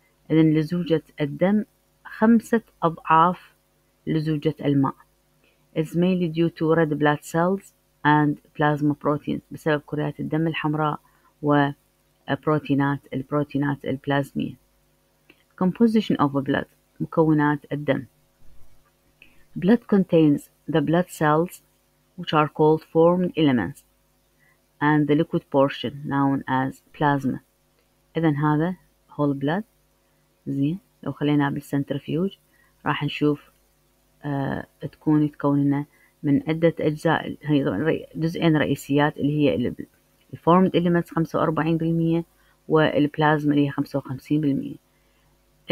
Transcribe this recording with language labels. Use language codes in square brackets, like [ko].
[ar] إذن لزوجة الدم 5 أضعاف لزوجة الماء. [en] It's mainly due to red blood cells and plasma proteins [ar] بسبب كريات الدم الحمراء وبروتينات البروتينات البلازمية. [en] Composition of blood [ar] مكونات الدم. [en] Blood contains the blood cells which are called formed elements and the liquid portion known as plasma. [ar] إذن هذا [en] whole blood. [ar] زين لو خلينا بالسنترفيوج راح نشوف تكون تكوننا من عدة أجزاء، هي جزئين رئيسيات اللي هي الformed elements 45% والبلازما اللي هي 55%.